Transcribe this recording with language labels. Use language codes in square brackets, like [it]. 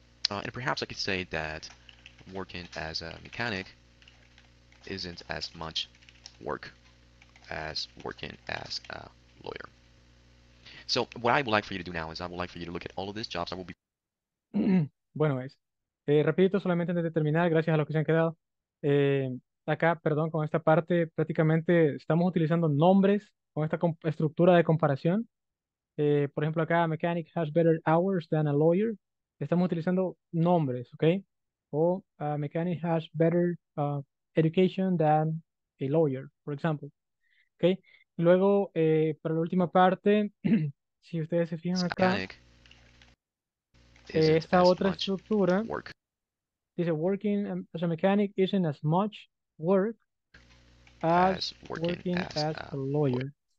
[en] And perhaps I could say that working as a mechanic isn't as much work as working as a lawyer. So what I would like for you to do now is I would like for you to look at all of these jobs. I will be... [es] Bueno, es. Rapidito, solamente antes de terminar, gracias a los que se han quedado. Acá, perdón, con esta parte, prácticamente estamos utilizando nombres con esta estructura de comparación. Por ejemplo, acá, [en] mechanic has better hours than a lawyer. [es] Estamos utilizando nombres, ¿ok? [en] O mechanic has better education than a lawyer, [es] por ejemplo. ¿Ok? Luego, para la última parte, si ustedes se fijan acá, esta otra estructura [en] work. [es] Dice [en] working as a mechanic isn't as much work as working as a lawyer.